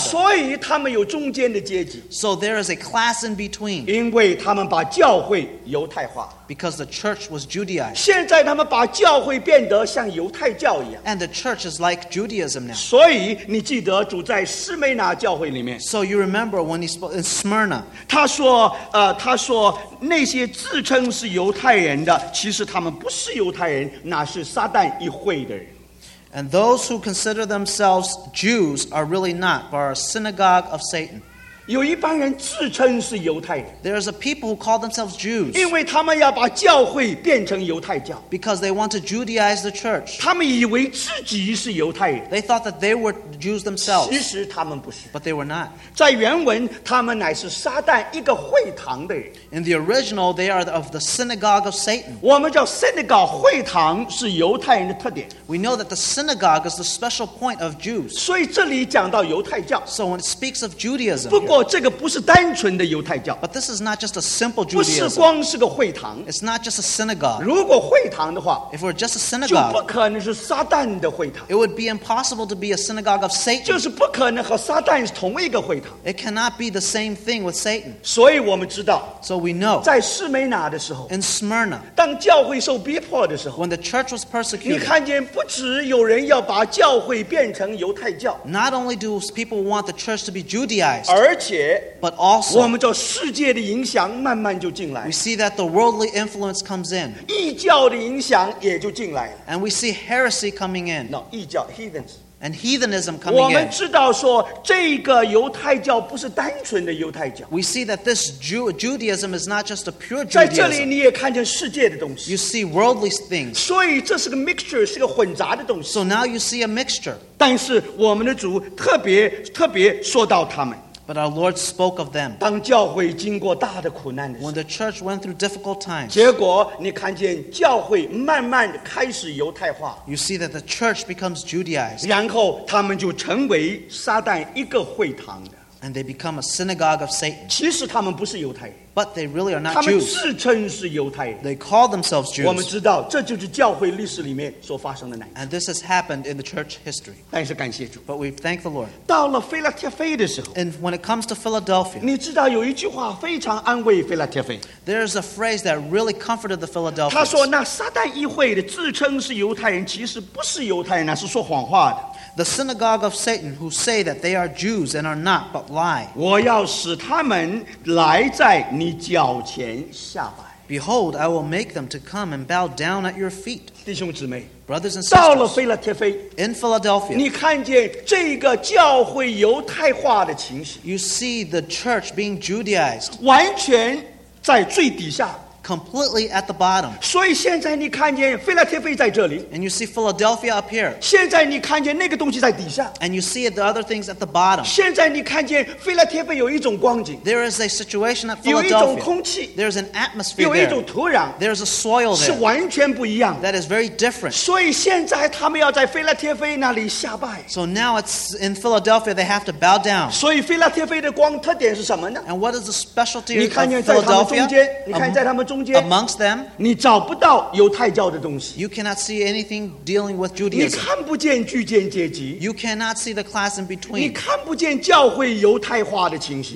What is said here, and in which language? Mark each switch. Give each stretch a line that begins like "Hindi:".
Chinese: 所以他们有中间的阶级
English: So there is a class in between.
Chinese: 因为他们把教会犹太化
English: Because the church was Judaized.
Chinese: 现在他们把教会变得像犹太
English: And the church is like Judaism now.
Chinese: 所以你记得主在斯梅拿教会里面。
English: So you remember when he spoke in Smyrna.
Chinese: 他说，他说那些自称是犹太人的，其实他们不是犹太人，那是撒旦一会的人。
English: And those who consider themselves Jews are really not, but are a synagogue of Satan.
Chinese: 有一帮人自称是犹太人
English: There is a people who call themselves Jews
Chinese: 因为他们要把教会变成犹太教
English: Because they want to Judaize the church
Chinese: 他们以为自己是犹太人
English: They thought that they were Jews themselves
Chinese: 其实他们不是
English: But they were not
Chinese: 在原文他们乃是撒旦一个会堂的人
English: In the original they are of the synagogue of Satan
Chinese: 我们叫 synagogue 会堂是犹太人的特点
English: We know that the synagogue is the special point of Jews
Chinese: 所以这里讲到犹太教
English: So when it speaks of Judaism
Chinese: 不过这个不是单纯的犹太教。
English: But this is not just a simple Judaism.
Chinese: 不是光是个会堂。
English: It's not just a synagogue.
Chinese: 如果会堂的话
English: ，If we're just a synagogue，
Chinese: 就不可能是撒旦的会堂。
English: It would be impossible to be a synagogue of Satan.
Chinese: 就是不可能和撒旦是同一个会堂。
English: It cannot be the same thing with Satan.
Chinese: 所以我们知道
English: ，So we know，
Chinese: 在士美拿的时候
English: ，In Smyrna，
Chinese: 当教会受逼迫的时候
English: ，When the church was persecuted，
Chinese: 你看见不止有人要把教会变成犹太教。
English: Not only do people want the church to be Judaized，
Chinese: 而且
English: ，but also，
Chinese: 我们叫世界的影响慢慢就进来。
English: We see that the worldly influence comes in，
Chinese: 异教的影响也就进来了。
English: And we see heresy coming in，
Chinese: 异教 heathens。
English: And heathenism coming in.
Chinese: 我们知道说这个犹太教不是单纯的犹太教。
English: We see that this Judaism is not just a pure Judaism.
Chinese: 在这里你也看见世界的东西。
English: You see worldly things.
Chinese: 所以这是个 mixture， 是个混杂的东西。
English: So now you see a mixture.
Chinese: 但是我们的主特别特别说到他们。
English: But our Lord spoke of them.
Chinese: 当教会经过大的苦难的时候。
English: When the church went through difficult times.
Chinese: 结果你看见教会慢慢地开始犹太化。
English: You see that the church becomes Judaized.
Chinese: 然后他们就成为撒旦一个会堂的。
English: And they become a synagogue of Satan.
Chinese: 其实他们不是犹太人。
English: But they really are not Jews.
Chinese: 他们自称是犹太人。
English: They call themselves Jews.
Chinese: 我们知道这就是教会历史里面所发生的难。
English: And this has happened in the church history.
Chinese: 但是感谢主。
English: But we thank the Lord.
Chinese: 到了腓拉帖菲的时候。
English: And when it comes to Philadelphia.
Chinese: 你知道有一句话非常安慰腓拉帖菲。
English: There is a phrase that really comforted the Philadelphians.
Chinese: 他说那撒旦议会的自称是犹太人其实不是犹太人是说谎话的。
English: The synagogue of Satan who say that they are Jews and are not but lie.
Chinese: 我要使他们来在你脚前下拜。
English: Behold, I will make them to come and bow down at your feet.
Chinese: 弟兄姊妹。
English: Brothers and sisters.
Chinese: 到了腓拉帖菲。
English: In Philadelphia.
Chinese: 你看见这个教会犹太化的情形。
English: You see the church being Judaized.
Chinese: 完全在最底下。
English: Completely at the bottom.
Chinese: 所以现在你看见腓拉帖菲在这里。
English: And you see Philadelphia up here.
Chinese: 现在你看见那个东西在底下。
English: And you see the other things at the bottom.
Chinese: 现在你看见腓拉帖菲有一种光景。
English: There is a situation at Philadelphia.
Chinese: 有一种空气。
English: There is an atmosphere there.
Chinese: 有一种土壤。
English: There is a soil there.
Chinese: 是完全不一样。
English: That is very different.
Chinese: 所以现在他们要在腓拉帖菲那里下拜。
English: So now it's in Philadelphia they have to bow down.
Chinese: 所以腓拉帖菲的光特点是什么呢？
English: And what is the specialty of Philadelphia?
Chinese: 你看见在他们中间。
English: Amongst them,
Chinese: 你找不到犹太教的东西。
English: You cannot see anything dealing with Judaism.
Chinese: 你看不见巨贱阶级。
English: You cannot see the class in between.
Chinese: 你看不见教会犹太化的情形。